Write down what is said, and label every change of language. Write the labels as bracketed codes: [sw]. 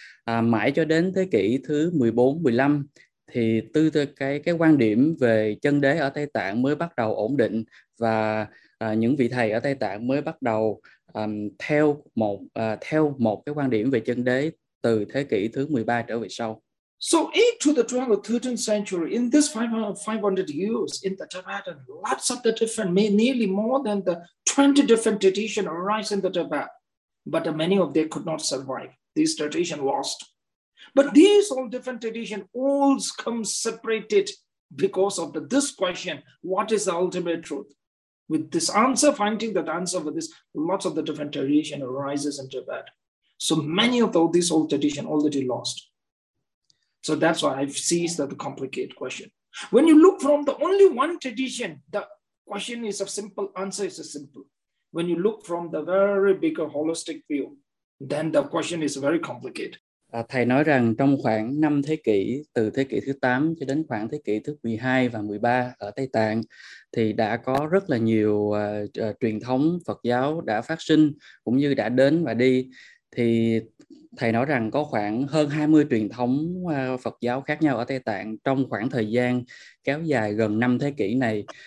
[vi] Mãi cho đến thế kỷ thứ 14, 15 thì cái quan điểm về chân đế ở Tây Tạng mới bắt đầu ổn định và những vị thầy ở Tây Tạng mới bắt đầu theo một cái quan điểm về chân đế từ thế kỷ thứ 13 trở về sau. [en] So 8 to the 12th or 13th century, in this 500 years in the Tibet, and lots of the different, nearly more than the 20 different traditions arise in the Tibet. But many of them could not survive. These traditions lost. But these all different traditions all come separated because of this question, what is the ultimate truth? With this answer, finding that answer with this, lots of the different traditions arises in Tibet. So many of these old traditions already lost. So that's why I see that the complicated question. When you look from the only one tradition, the question is a simple, answer is a simple. When you look from the very bigger holistic view, then the question is very complicated. [vi] Thầy nói rằng trong khoảng 5 thế kỷ, từ thế kỷ thứ 8 cho đến khoảng thế kỷ thứ 12 và 13 ở Tây Tạng, thì đã có rất là nhiều truyền thống Phật giáo đã phát sinh, cũng như đã đến và đi. Thì Thầy nói rằng có khoảng hơn 20 truyền thống Phật giáo khác nhau ở Tây Tạng trong khoảng thời gian kéo dài gần 5 thế kỷ này.